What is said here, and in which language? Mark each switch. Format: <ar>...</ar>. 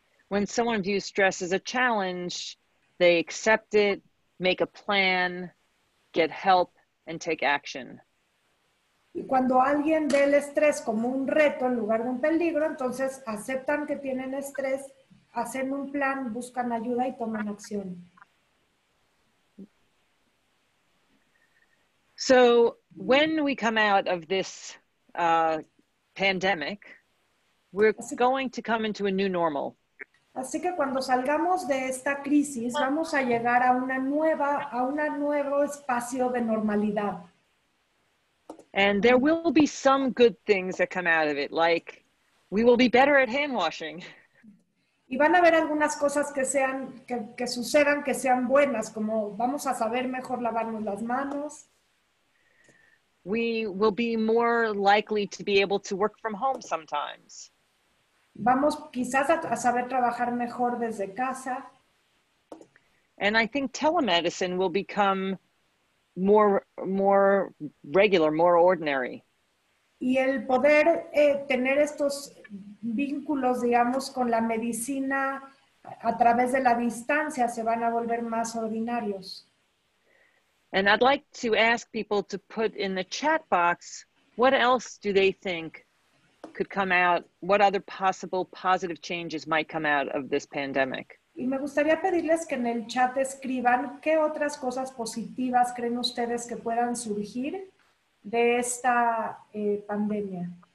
<en>When someone views stress as a challenge, they accept it, make a plan, get help, and take action.</en> <es>Y cuando alguien ve el estrés como un reto en lugar de un peligro, entonces aceptan que tienen estrés, hacen un plan, buscan ayuda y toman acción.</es> <en>So when we come out of this pandemic, we're going to come into a new normal.</en> <es>Así que cuando salgamos de esta crisis, vamos a llegar a un nuevo espacio de normalidad.</es> <en>And there will be some good things that come out of it, like we will be better at hand washing.</en> <es>Y van a haber algunas cosas que sucedan que sean buenas, como vamos a saber mejor lavarnos las manos.</es> <en>We will be more likely to be able to work from home sometimes.</en> <es>Vamos quizás a saber trabajar mejor desde casa.</es> <en>And I think telemedicine will become more regular, more ordinary.</en> <es>Y el poder tener estos vínculos, digamos, con la medicina a través de la distancia se van a volver más ordinarios.</es> <en>And I'd like to ask people to put in the chat box, what else do they think could come out, what other possible positive changes might come out of this pandemic?</en> <es>Y me gustaría pedirles que en el chat escriban qué otras cosas positivas creen ustedes que puedan surgir de esta pandemia.</es>